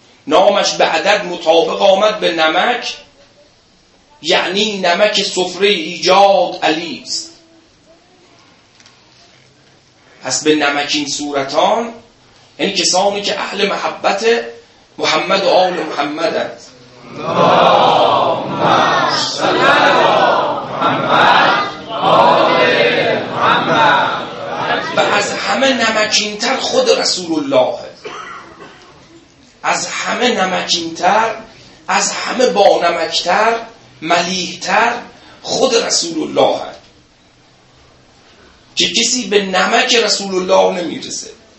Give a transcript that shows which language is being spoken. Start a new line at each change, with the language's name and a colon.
Persian: نامش به عدد مطابق آمد به نمک، یعنی نمک سفره ایجاد علی است. پس به نمکین صورتان، یعنی کسانی که اهل محبت محمد و آل محمد است.
Arabic: اللهم صل على محمد آل محمد.
Persian: و از همه نمکین تر خود رسول الله، از همه نمکین تر، از همه با نمک تر، ملیح تر خود رسول الله است. که کسی به نمک رسول الله نمیرسه.